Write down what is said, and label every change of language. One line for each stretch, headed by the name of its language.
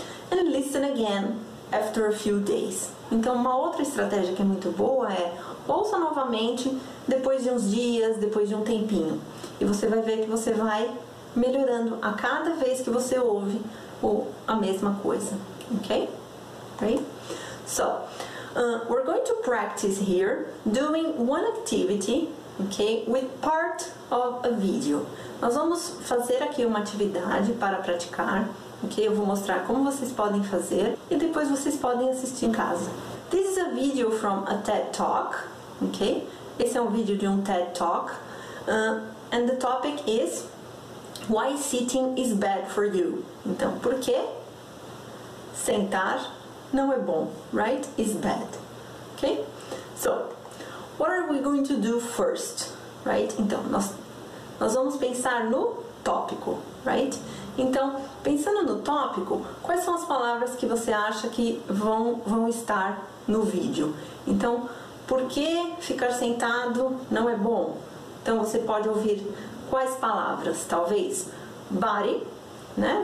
English: And listen again after a few days.
Portuguese: Então, uma outra estratégia que é muito boa é ouça novamente depois de uns dias, depois de um tempinho. E você vai ver que você vai melhorando a cada vez que você ouve a mesma coisa, ok?
English: Okay? So, we're going to practice here doing one activity, okay, with part of a video.
Portuguese: Nós vamos fazer aqui uma atividade para praticar, ok? Eu vou mostrar como vocês podem fazer e depois vocês podem assistir em casa.
English: This is a video from a TED Talk, ok?
Portuguese: Esse é um vídeo de um TED Talk,
English: and the topic is Why sitting is bad for you?
Portuguese: Então, por que sentar não é bom, right?
English: Is bad, ok? So, what are we going to do first, right?
Portuguese: Então, nós vamos pensar no tópico, right? Então, pensando no tópico, quais são as palavras que você acha que vão estar no vídeo? Então, por que ficar sentado não é bom? Então, você pode ouvir quais palavras? Talvez body, né?